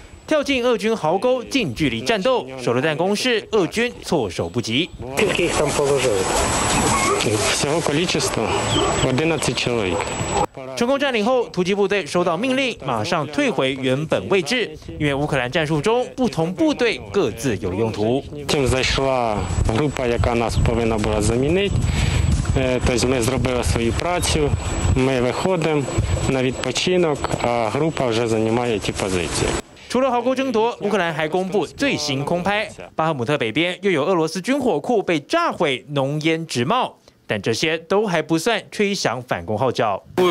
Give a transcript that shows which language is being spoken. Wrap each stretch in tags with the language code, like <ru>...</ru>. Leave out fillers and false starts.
<zh>跳进俄军壕沟，近距离战斗，手榴弹攻势，俄军措手不及。</zh> <uk>Скільки їх там положили? Всього количество 11 чоловік.</uk> <zh>成功占领后，突击部队收到命令，马上退回原本位置。因为乌克兰战术中，不同部队各自有用途。</zh> <uk>Чим зайшла група, яка нас повинна була замінити? Тож ми зробили свою працю, ми виходимо на відпочинок, а група вже займає ті позиції.</uk> <zh>除了壕沟争夺，乌克兰还公布最新空拍：巴赫姆特北边又有俄罗斯军火库被炸毁，浓烟直冒。但这些都还不算吹响反攻号角。</zh>